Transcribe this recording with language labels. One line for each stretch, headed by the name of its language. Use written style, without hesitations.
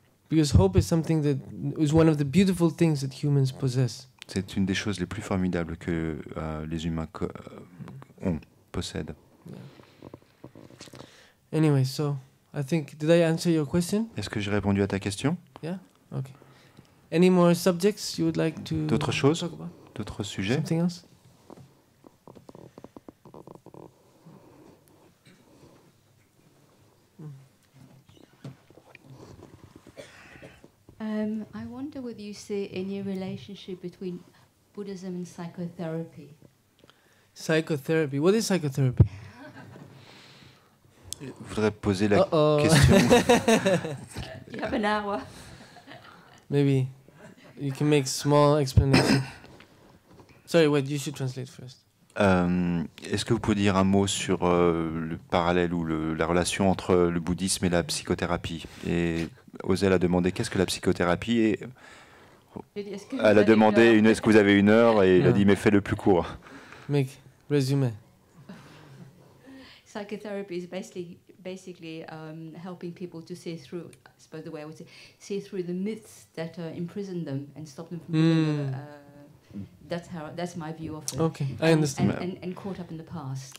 English: Because hope is something that is one of the beautiful things that humans possess.
French: C'est une des choses les plus formidables que les humains possèdent.
English: Yeah. Anyway, so I think did I answer your question?
French: Est-ce que j'ai répondu à ta question?
English: Yeah. Okay. Any more subjects you would like to
French: d'autres choses?
English: Talk about?
French: D'autres sujets?
English: Something else? I wonder whether you see any relationship between Buddhism and psychotherapy. Psychotherapy. What is psychotherapy?
French: Je voudrais poser la question.
English: You have an hour. Maybe you can make small explanation. Sorry, wait, you should translate first.
French: Est-ce que vous pouvez dire un mot sur le parallèle ou la relation entre le bouddhisme et la psychothérapie? Et Osel a demandé qu'est-ce que la psychothérapie est. Elle a demandé est-ce que vous avez une heure et il a dit mais fais le plus court. Mick, résumé.
English: Psychotherapy is basically helping people to see through, I suppose the way I would say, see through the myths that imprison them and stop them from being. That's my view of it. Okay, I understand. And caught up in the past.